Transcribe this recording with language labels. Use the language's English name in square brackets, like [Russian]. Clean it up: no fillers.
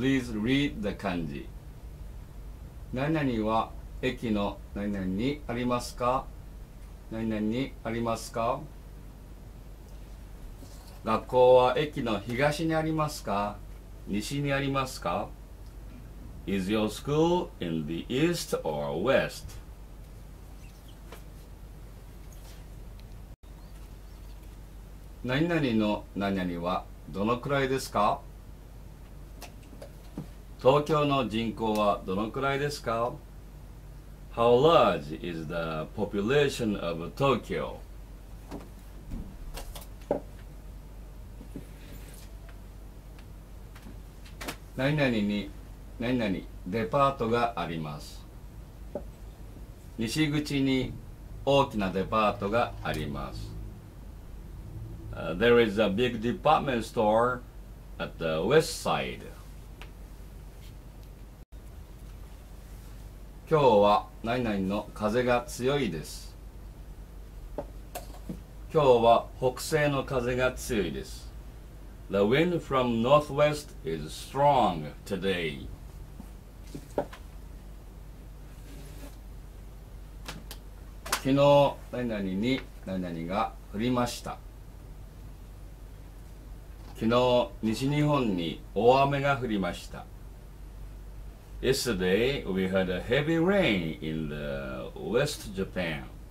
[English] Please read the 漢字。 [Japanese] 何々は駅の何々にありますか？何々にありますか？学校は駅の東にありますか？西にありますか？ [English] Is your school in the east or west? [Japanese] 何々の何々はどのくらいですか？東京の人口はどのくらいですか？ [English] How large is the population of Tokyo? [Japanese] 何々に何々デパートがあります。西口に大きなデパートがあります。 [English] There is a big department store at the west side. [Japanese] 今日は何々の風が強いです。今日は北西の風が強いです。 [English] The wind from northwest is strong today. [Japanese] 昨日、何々に何々が降りました。昨日、西日本に大雨が降りました。 [English] Yesterday, we had a heavy rain in the west Japan.